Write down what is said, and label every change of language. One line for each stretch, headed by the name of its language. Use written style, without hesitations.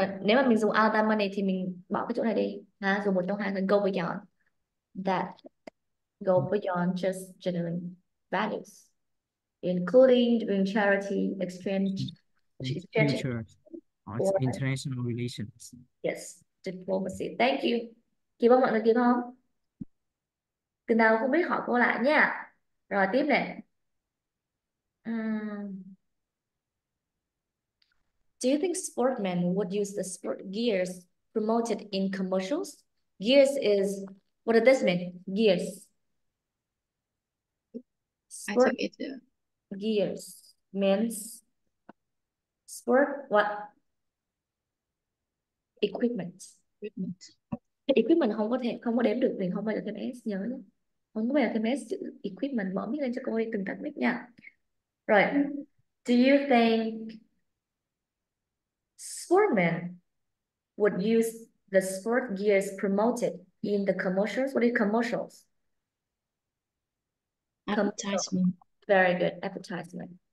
Vietnamese: Nếu mà mình dùng other money thì mình bỏ cái chỗ này đi, ha? Dùng một trong hai,
English: go beyond. That go beyond just generating values, including doing charity, exchange, Future or or international relations. yes, diplomacy. Thank you.
Vietnamese: Kỳ vọng mọi người kịp không? Từ nào không biết hỏi cô lại nha. Rồi tiếp nè.
English: Do you think sportmen would use the sport gears promoted in commercials? Gears is what does this mean? Gears. I Sport think it's gears means sport what? Equipment. equipment.
Vietnamese: Equipment không có thể không có đếm được thì không bao giờ thêm S nhớ nhé. Không có bao giờ thêm S chữ equipment. Mở mic lên cho cô ấy từng tắt mic nha. Rồi.
English: Do you think sportmen would use the sport gears promoted in the commercials? What are commercials? Commercial. Advertisement. Very good. Advertisement.